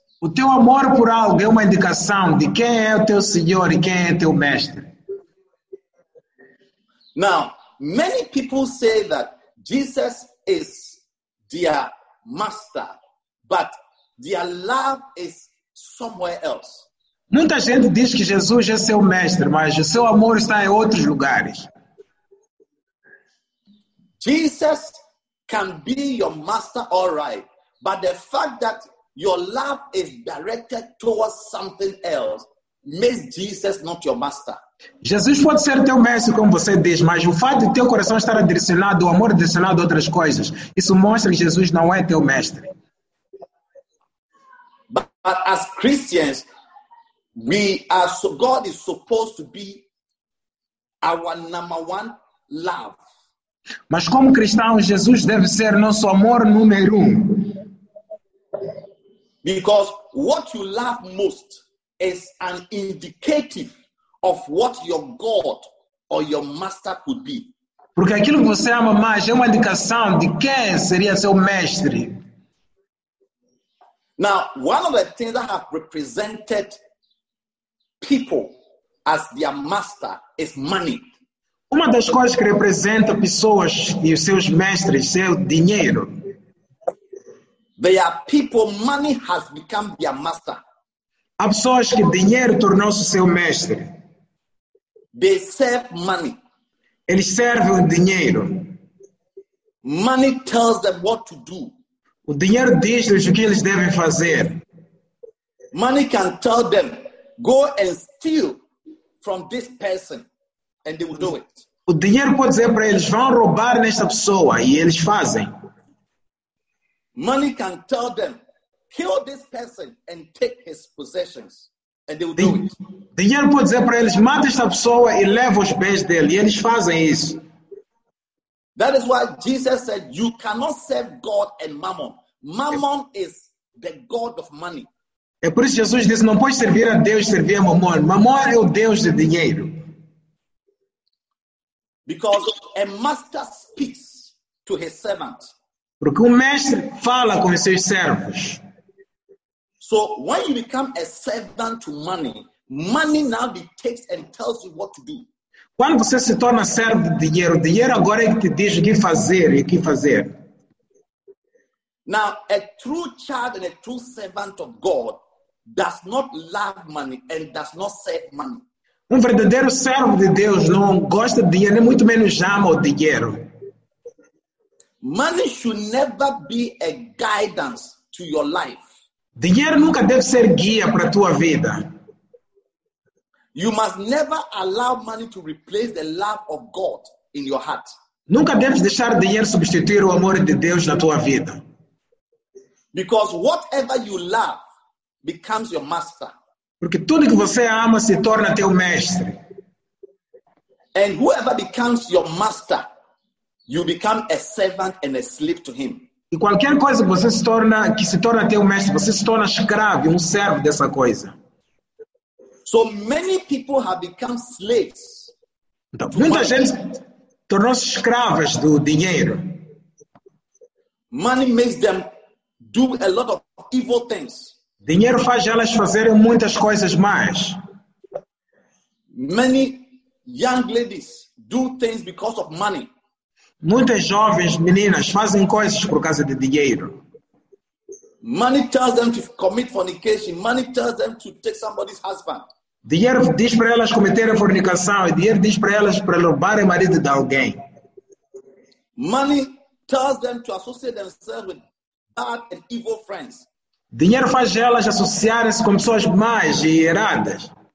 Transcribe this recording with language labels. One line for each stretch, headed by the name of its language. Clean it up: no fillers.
Portuguese: O teu amor por algo é uma indicação de quem é o teu Senhor e quem é teu mestre.
English: Now, many people say that Jesus is their master, but their love is somewhere else.
Portuguese: Muita gente diz que Jesus é seu mestre, mas o seu amor está em outros lugares.
English: Jesus can be your master, all right, but the fact that your love is directed towards something else makes Jesus not your master.
Portuguese: Jesus pode ser teu mestre, como você diz, mas o fato de teu coração estar direcionado, o amor direcionado a outras coisas, isso mostra que Jesus não é teu mestre.
English: But as Christians, we are so God is supposed to be our number one love.
Portuguese: Mas como cristão, Jesus deve ser nosso amor número um.
English: Because what you love most is an indicative of what your God or your master could be.
Portuguese: Porque aquilo que você ama mais é uma indicação de quem seria seu mestre.
English: Now, one of the things that have represented people as their master is money.
Portuguese: Uma das coisas que representa pessoas e os seus mestres é o dinheiro.
English: They are people, money has become their master.
Portuguese: Há pessoas que dinheiro tornou-se seu mestre.
English: They serve money.
Portuguese: Eles servem o dinheiro.
English: Money tells them what to do.
Portuguese: O dinheiro diz-lhes o que eles devem fazer.
English: Money can tell them, go and steal from this person, and they will do it.
Portuguese: O dinheiro pode dizer para eles, vão roubar nesta pessoa, e eles fazem.
English: Money can tell them, kill this person and take his possessions, and they will do it.
Portuguese: Dinheiro pode dizer para eles, mata esta pessoa e leva os bens dele, e eles fazem isso.
English: That is why Jesus said, you cannot serve God and mammon. Mammon is the god of money.
Portuguese: É por isso que Jesus disse, não pode servir a Deus e servir a mammon. Mammon é o Deus de dinheiro.
English: Because a master speaks to his servant.
Portuguese: Porque um mestre fala com seus servos.
English: So when you become a servant to money, money now dictates and tells you what to do.
Portuguese: Quando você se torna servo de dinheiro, o dinheiro agora é que te diz o que fazer e o que fazer.
English: Now, a true child and a true servant of God does not love money and does not serve money.
Portuguese: Um verdadeiro servo de Deus não gosta de dinheiro, nem muito menos ama o dinheiro.
English: Money should never be a guidance to your life.
Portuguese: Dinheiro nunca deve ser guia para a tua vida.
English: You must never allow money to replace the love of God in your heart.
Portuguese: Nunca deves deixar dinheiro substituir o amor de Deus na tua vida.
English: Because whatever you love becomes your master.
Portuguese: Porque tudo que você ama se torna teu mestre.
English: And whoever becomes your master, you become a servant and a slave to him.
Portuguese: E qualquer coisa que você se torna, que se torna teu mestre, você se torna escravo, um servo dessa coisa.
English: So many people have become slaves.
Portuguese: Então, muita gente tornou-se escravas do dinheiro.
English: Money makes them do a lot of evil things.
Portuguese: Dinheiro faz elas fazerem muitas coisas más.
English: Many young ladies do things because of money.
Portuguese: Muitas jovens meninas fazem coisas por causa de dinheiro.
English: Money tells them to commit fornication. Money tells them to take somebody's husband.
Portuguese: Dinheiro diz para elas cometerem fornicação e dinheiro diz para elas para roubarem marido de alguém.
English: Money tells them to associate themselves with bad and evil friends.
Portuguese: Dinheiro faz elas associarem-se com pessoas más e erradas.